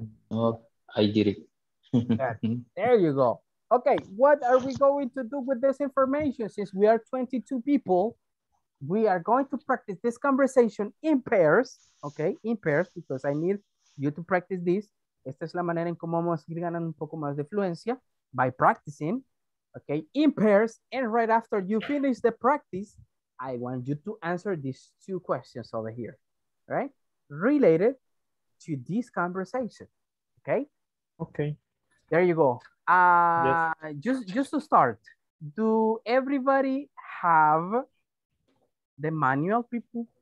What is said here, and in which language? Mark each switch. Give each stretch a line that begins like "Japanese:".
English: Oh, I did it. There you go. Okay, what are we going to do with this information? Since we are 22 people, we are going to practice this conversation in pairs, okay? In pairs, because I need you to practice this.
Spanish: Esta es la manera en cómo vamos a ir ganando un poco más de fluencia,
English: by practicing, okay? In pairs, and right after you finish the practice, I want you to answer these two questions over here, right? Related to this conversation, okay? Okay. There you go. Yes. Just to start, do everybody have the manual, people?